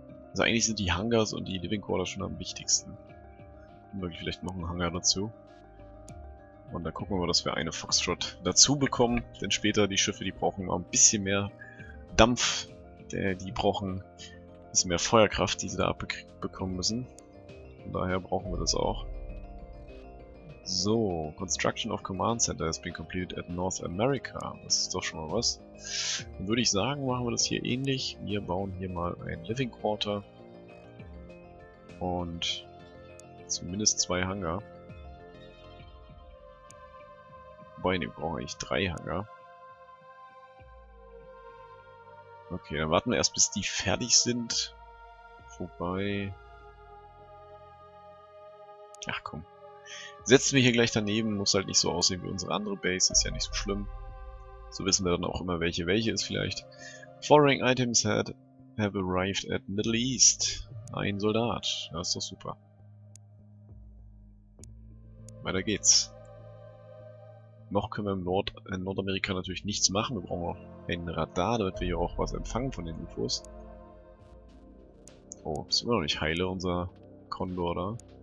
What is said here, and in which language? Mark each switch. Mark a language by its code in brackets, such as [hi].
[de] Also eigentlich sind die Hangars und die Living Quarters schon am wichtigsten. Möglich vielleicht noch einen Hangar dazu. Und dann gucken wir mal, dass wir eine Foxtrot dazu bekommen. Denn später, die Schiffe, die brauchen mal ein bisschen mehr Dampf. Die brauchen ein bisschen mehr Feuerkraft, die sie da abbekommen müssen. Von daher brauchen wir das auch. [en] So, Construction of Command Center has been completed at North America. [de] Das ist doch schon mal was. Dann würde ich sagen, machen wir das hier ähnlich. Wir bauen hier mal ein Living Quarter. Und zumindest zwei Hangar. Wobei, ne, brauche ich drei Hangar. Okay, dann warten wir erst, bis die fertig sind. Wobei... Ach komm. Setzen wir hier gleich daneben, muss halt nicht so aussehen wie unsere andere Base, ist ja nicht so schlimm. So wissen wir dann auch immer, welche ist vielleicht. [en] Foreign items have arrived at Middle East. [de] Ein Soldat, das ist doch super. Weiter geht's. Noch können wir in Nordamerika natürlich nichts machen, wir brauchen auch ein Radar, damit wir hier auch was empfangen von den UFOs. Oh, ist immer noch nicht heile, unser Kondor da.